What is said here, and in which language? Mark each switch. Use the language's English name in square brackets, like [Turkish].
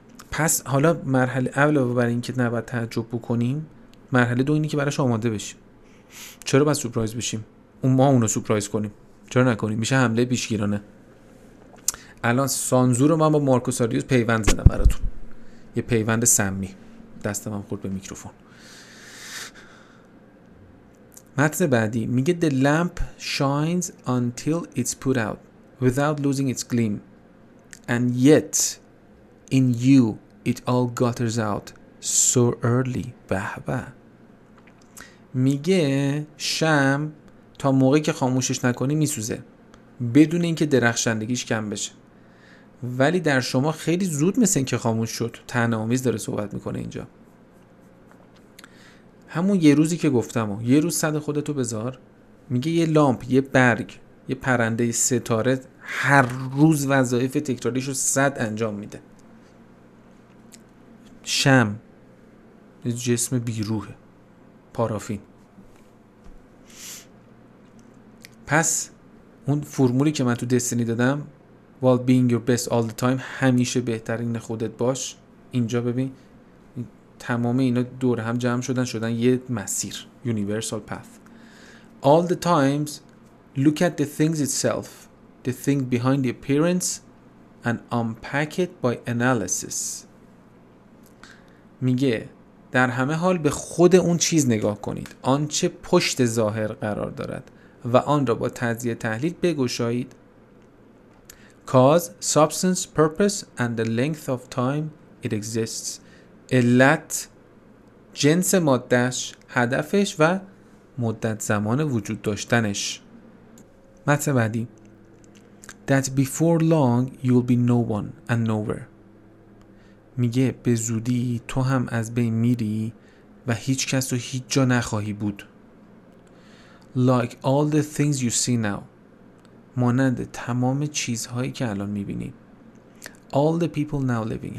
[Persian] پس حالا مرحله اول برای اینکه نباید تعجب بکنیم، مرحله دو اینی که براش آماده بشیم. چرا باید سورپرایز بشیم؟ اون ما اونو سورپرایز کنیم. چرا نکنیم؟ میشه حمله پیشگیرانه. الان سانزور رو من با مارکوس آریوس پیوند زدم براتون. یه پیوند سمی. دستم هم خورد به میکروفون. متن بعدی میگه [English] The lamp shines until it's put out without losing its gleam. And yet in you it all gutters out so early. [Persian] بهبه. میگه شمع تا موقعی که خاموشش نکنی میسوزه بدون اینکه درخشندگیش کم بشه، ولی در شما خیلی زود مثل اینکه خاموش شد. طعنه‌آمیز داره صحبت میکنه اینجا. همون یه روزی که گفتم و یه روز صد خودتو بذار. میگه یه لامپ، یه برگ، یه پرنده، یه ستاره هر روز وظایف تکراریشو صد انجام میده. شمع جسم بیروحه، پارافین. پس اون فرمولی که من تو دستینی دادم، [English] while being your best all the time، [Persian] همیشه بهترین خودت باش، اینجا ببین تمام اینا دور هم جمع شدن، شدن یه مسیر، [English] universal path. All the times look at the things itself, the thing behind the appearance, and unpack it by analysis. [Persian] میگه در همه حال به خود اون چیز نگاه کنید، آنچه پشت ظاهر قرار دارد، و آن را با تجزیه تحلیل بگشایید. [English] Cause, substance, purpose and the length of time it exists. [Persian] علت، جنس مادهش، هدفش و مدت زمان وجود داشتنش. متن بعدی. [English] That before long you'll be no one and nowhere. [Persian] میگه به زودی تو هم از بین میری و هیچ کس و هیچ جا نخواهی بود. [English] Like all the things you see now. [Persian] مانند تمام چیزهایی که الان میبینی. [English] All the people now living.